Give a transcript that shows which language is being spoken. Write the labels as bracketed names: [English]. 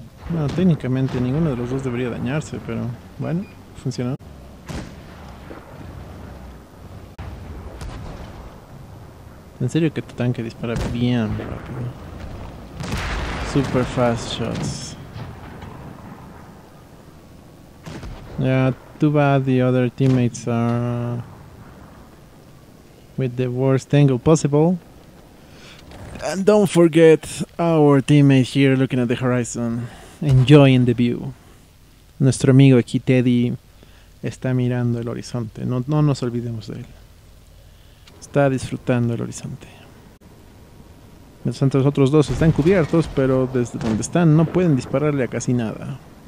[Spanish] Bueno, técnicamente ninguno de los dos debería dañarse, pero bueno, funcionó. En serio que tu tanque dispara bien rápido. [English] Super fast shots. Yeah, too bad the other teammates are with the worst angle possible. And don't forget our teammate here looking at the horizon, enjoying the view. [Spanish] Nuestro amigo aquí, Teddy, está mirando el horizonte. No, no nos olvidemos de él. Está disfrutando el horizonte. Mientras los otros dos están cubiertos, pero desde donde están no pueden dispararle a casi nada.